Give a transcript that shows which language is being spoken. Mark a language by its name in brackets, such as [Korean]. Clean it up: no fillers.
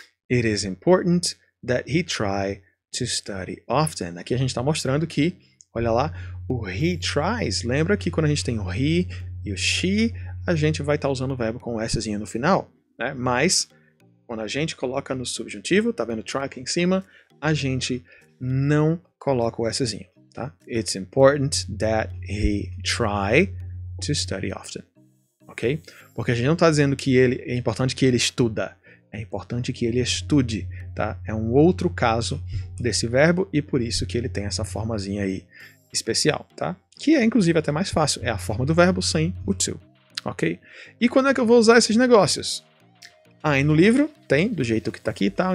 [English] It is important that he try to study often. [Portuguese] Aqui a gente está mostrando que, olha lá, o he tries. Lembra que quando a gente tem o he e o she, a gente vai estar usando o verbo com o szinho no final, né? Mas, quando a gente coloca no subjuntivo, tá vendo o try aqui em cima, a gente não coloca o szinho, tá? [English] It's important that he try to study often, ok? [Portuguese] Porque a gente não está dizendo que ele é importante que ele estuda, é importante que ele estude, tá? É um outro caso desse verbo e por isso que ele tem essa formazinha aí especial, tá? Que é, inclusive, até mais fácil. É a forma do verbo sem o to. Ok? E quando é que eu vou usar esses negócios? Aí no livro tem, do jeito que tá aqui e tal.